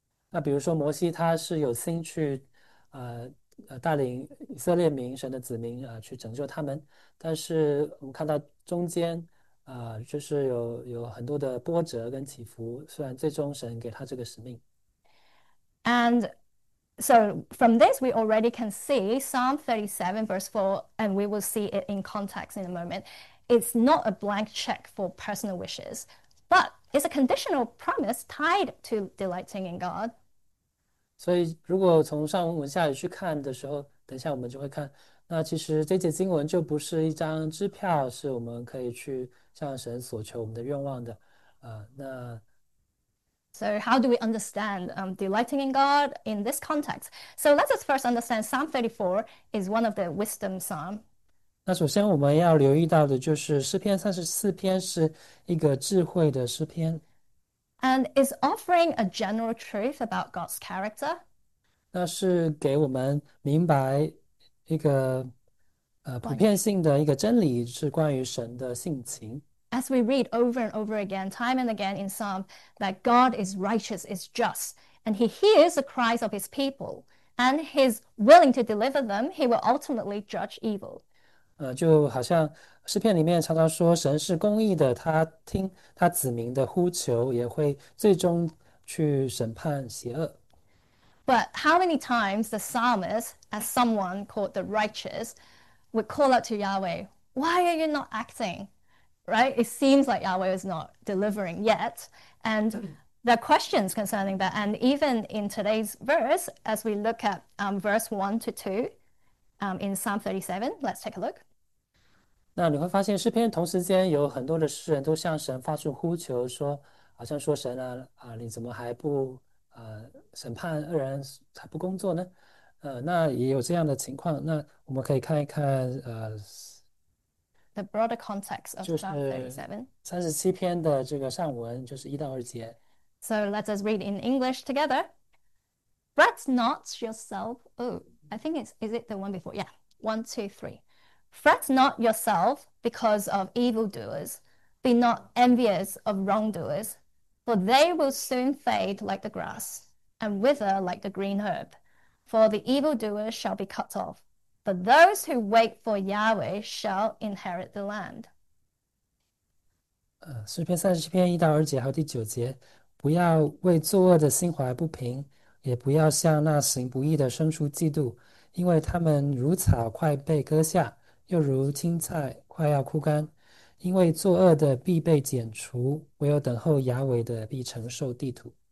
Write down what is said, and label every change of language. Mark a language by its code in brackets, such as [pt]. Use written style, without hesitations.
[zh] 那比如说摩西，他是有心去带领以色列民神的子民去拯救他们，但是我们看到中间。就是有很多的波折跟起伏，虽然最终神给他这个使命。 [en] And so from this, we already can see Psalm 37, verse 4, and we will see it in context in a moment. It's not a blank check for personal wishes, but it's a conditional promise tied to delighting in God. [zh] 所以，如果从上文下语去看的时候，等一下我们就会看。那其实这节经文就不是一张支票，是我们可以去向神索求我们的愿望的，那。 [en] So, how do we understand delighting in God in this context? So, let us first understand Psalm 34 is one of the wisdom psalms. [zh] 那首先我们要留意到的就是诗篇34篇是一个智慧的诗篇。 [en] And is offering a general truth about God's character. [zh] 那是给我们明白。一个普遍 [en] Blank. [zh] 性的一个真理是关于神的性情。 [en] As we read over and over again, time and again in Psalm, that God is righteous, is just, and he hears the cries of his people, and he's willing to deliver them, he will ultimately judge evil. [zh] 就好像诗篇里面常常说，神是公义的，他听他子民的呼求，也会最终去审判邪恶。 [en] But how many times the psalmist, as someone called the righteous, would call out to Yahweh, "Why are you not acting?" Right? It seems like Yahweh is not delivering yet. And there are questions concerning that. And even in today's verse, as we look at verse 1 to 2 in Psalm 37, let's take a look. [zh] 那你会发现，诗篇同时间有很多的诗人都向神发出呼求，说好像说神啊，你怎么还不审判恶人，还不工作呢？那也有这样的情况，那我们可以看一看 [en] The broader context of [zh] 就 [en] Psalm [zh] 是 [en] 37. [zh] 37篇的这个上文，就是1到2节。 [en] So let us read in English together. Fret not yourself. Oh, I think it's, is it the one before? Yeah, 1, 2, 3. Fret not yourself because of evildoers. Be not envious of wrongdoers, for they will soon fade like the grass and wither like the green herb. For the evildoers shall be cut off. But those who wait for Yahweh shall inherit the land. [zh] 诗篇37篇1到2节还有第9节，不要为作恶的心怀不平，也不要向那行不义的生出嫉妒，因为他们如草快被割下，又如青菜快要枯干。因为作恶的必被剪除，唯有等候亚伟的必承受地土。